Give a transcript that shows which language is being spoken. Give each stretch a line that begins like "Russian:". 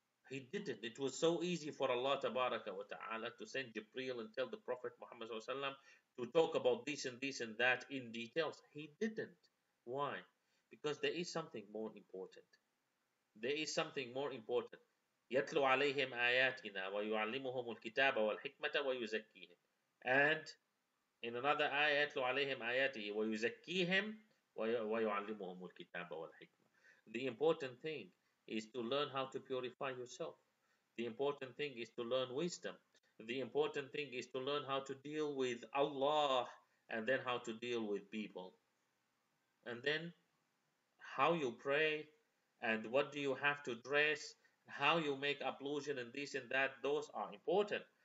English: He didn't. It was so easy for Allah tabaraka wa ta'ala to send Jibreel and tell the Prophet Muhammad to talk about this and this and that in details. He didn't. Why? Because there is something more important. There is something more important.
Arabic: يَتْلُوا عَلَيْهِمْ آيَاتِنَا وَيُعَلِّمُهُمُ الْكِتَابَ وَالْحِكْمَةَ وَيُزَكِّيهِمْ.
English: And in another ayah,
Arabic: يَتْلُوا عَلَيْهِمْ آيَاتِهِ وَيُزَكِّيهِمْ وَيُعَلِّمُهُمُ الْكِتَابَ وَالْحِكْمَةَ.
English: The important thing is to learn how to purify yourself. The important thing is to learn wisdom. The important thing is to learn how to deal with Allah and then how to deal with people. And then how you pray and what do you have to dress, how you make ablution and this and that, those are important.